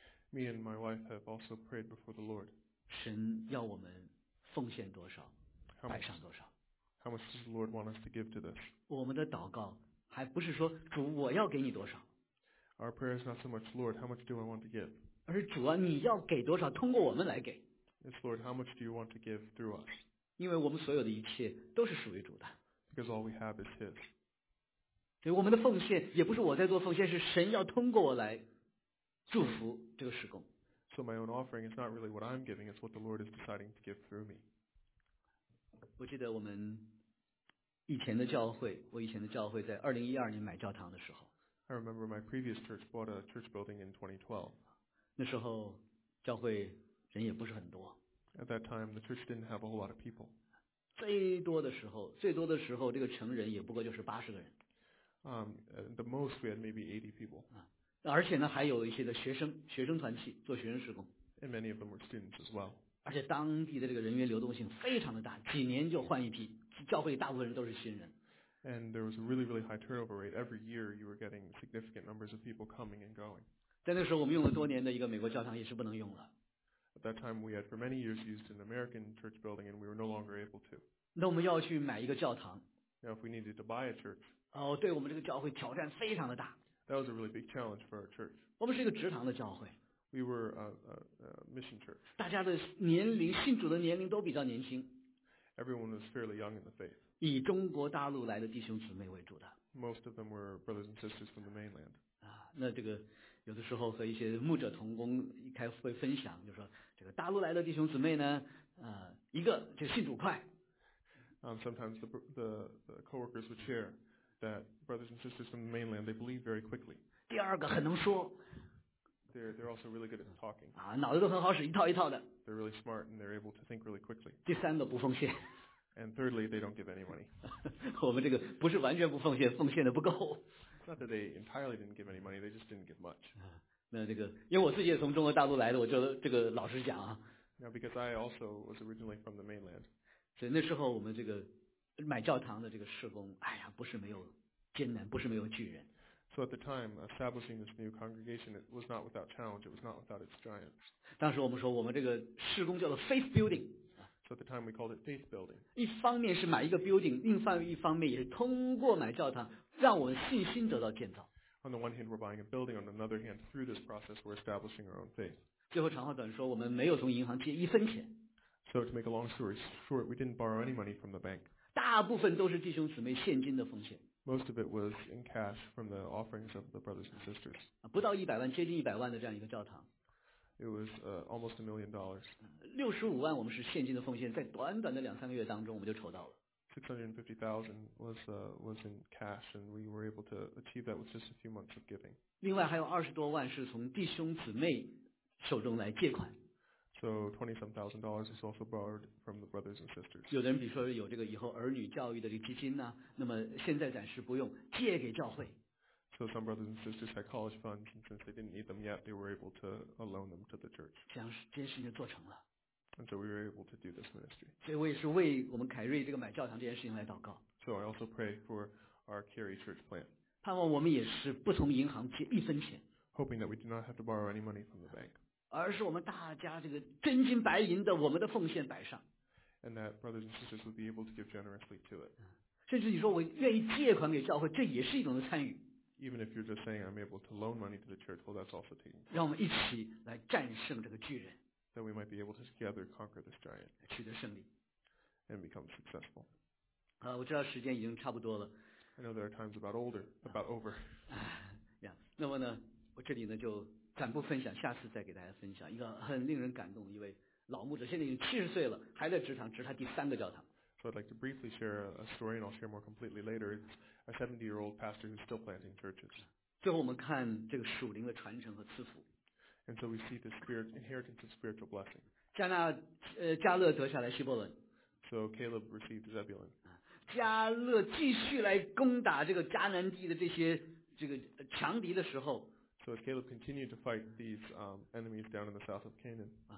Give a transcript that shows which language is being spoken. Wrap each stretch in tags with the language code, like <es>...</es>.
<en>Me and my wife have also prayed before the Lord.</en> <zh>神要我们奉献多少，摆上多少。</zh> <en>How much does the Lord want us to give to this?</en> <zh>我们的祷告还不是说主我要给你多少。</zh> <en>Our prayer is not so much, Lord, how much do I want to give?</en> <zh>而是主啊，你要给多少，通过我们来给。</zh> <en>It's Lord, how much do you want to give through us?</en> <zh>因为我们所有的一切都是属于主的。</zh> <en>Because all we have is His.</en> <zh>对，我们的奉献也不是我在做奉献，是神要通过我来祝福这个事工。</zh> <en>So my own offering is not really what I'm giving, it's what the Lord is deciding to give through me.</en> <zh>我记得我们以前的教会，我以前的教会在2012年买教堂的时候。</zh> <en>I remember my previous church bought a church building in 2012.</en> <zh>那时候教会人也不是很多。</zh> <en>At that time, the church didn't have a whole lot of people.</en> <zh>最多的时候，这个城人也不过就是八十个人。</zh> <en>The most we had maybe 80 people.</en> <zh>而且呢，还有一些的学生团契做学生事工。</zh> <en>And many of them were students as well.</en> <zh>而且当地的这个人员流动性非常的大，几年就换一批，教会大部分人都是新人。</zh> <en>And there was a really, really high turnover rate. Every year, you were getting significant numbers of people coming and going.</en> <zh>在那时候，我们用了多年的一个美国教堂也是不能用了。</zh> <en>At that time, we had for many years used an American church building, and we were no longer able to.</en> <zh>那我们要去买一个教堂。</zh> <en>Now, if we needed to buy a church.</en> <zh>哦，对我们这个教会挑战非常的大。</zh> <en>That was a really big challenge for our church.</en> <zh>我们是一个职堂的教会。</zh> <en>We were a mission church.</en> <zh>大家的年龄，信主的年龄都比较年轻。</zh> <en>Everyone was fairly young in the faith.</en> <zh>以中国大陆来的弟兄姊妹为主的。</zh> <en>Most of them were brothers and sisters from the mainland.</en> <zh>啊，那这个。有的时候和一些牧者同工一开会分享，就说这个大陆来的弟兄姊妹呢，一个就信主快。</zh> <en>Sometimes the coworkers would share that brothers and sisters from the mainland they believe very quickly.</en> <zh>第二个很能说。</zh> <en>They're also really good at talking.</en> <zh>啊，脑子都很好使，一套一套的。</zh> <en>They're really smart and they're able to think really quickly.</en> <zh>第三个不奉献。</zh> <en>And thirdly, they don't give any money.</en> <zh>我们这个不是完全不奉献，奉献的不够。</zh> <en>Not that they entirely didn't give any money, they just didn't give much.</en> <zh>那这个，因为我自己也从中国大陆来的，我觉得这个老实讲啊。</zh> <en>Now, because I also was originally from the mainland.</en> <zh>所以那时候我们这个买教堂的这个事工，哎呀，不是没有艰难，不是没有巨人。</zh> <en>So at the time, establishing this new congregation, it was not without challenge, it was not without its giant.</en> <zh>当时我们说，我们这个事工叫做 faith building.</zh> <en>So at the time, we called it faith building.</en> <zh>一方面是买一个 building, 另一方面也是通过买教堂，让我们信心得到建造。</zh> <en>On the one hand, we're buying a building. On another hand, through this process, we're establishing our own faith.</en> <zh>最后长话短说，我们没有从银行借一分钱。</zh> <en>So to make a long story short, we didn't borrow any money from the bank.</en> <zh>大部分都是弟兄姊妹现金的奉献。</zh> <en>Most of it was in cash from the offerings of the brothers and sisters.</en> <zh>不到一百万，接近一百万的这样一个教堂。</zh> <en>It was almost $1 million.</en> <zh>六十五万我们是现金的奉献，在短短的两三个月当中，我们就筹到了。</zh> <en>650,000 was in cash, and we were able to achieve that with just a few months of giving.</en> <zh>另外还有二十多万是从弟兄姊妹手中来借款。</zh> <en>So $27,000 is also borrowed from the brothers and sisters.</en> <zh>有的人比如说有这个以后儿女教育的这个基金呢、啊，那么现在暂时不用，借给教会。</zh> <en>So some brothers and sisters had college funds, and since they didn't need them yet, they were able to loan them to the church.</en> <zh>这样这件事情就做成了。</zh> <en>And so we were able to do this ministry.</en> <zh>所以我也是为我们凯瑞这个买教堂这件事情来祷告。</zh> <en>So I also pray for our Carey Church plan.</en> <zh>盼望我们也是不从银行借一分钱。</zh> <en>Hoping that we do not have to borrow any money from the bank.</en> <zh>而是我们大家这个真金白银的我们的奉献摆上。</zh> <en>And that brothers and sisters would be able to give generously to it.</en> <zh>甚至你说我愿意借款给教会，这也是一种的参与。</zh> <en>Even if you're just saying I'm able to loan money to the church, well, that's also taking.</en> <zh>让我们一起来战胜这个巨人。</zh> <en>That we might be able to together conquer this giant,</en> <zh>取得胜利</zh> <en>and become successful.</en> <zh>好，我知道时间已经差不多了。</zh> <en>I know there are times about older, about over.</en> <zh>那么呢，我这里呢就暂不分享，下次再给大家分享一个很令人感动的一位老牧者，现在已经七十岁了，还在职场，这是他第三个教堂。</zh> <en>So I'd like to briefly share a story, and I'll share more completely later. It's a 70-year-old pastor who's still planting churches.</en> <zh>最后我们看这个属灵的传承和赐福。</zh> <en>And so we see the spirit inheritance of spiritual blessing.</en> <zh>加勒得下来希伯伦。</zh> <en>So Caleb received Zebulun.</en> <zh>加勒继续来攻打这个迦南地的这些这个强敌的时候。</zh> <en>So as Caleb continued to fight these enemies down in the south of Canaan.</en>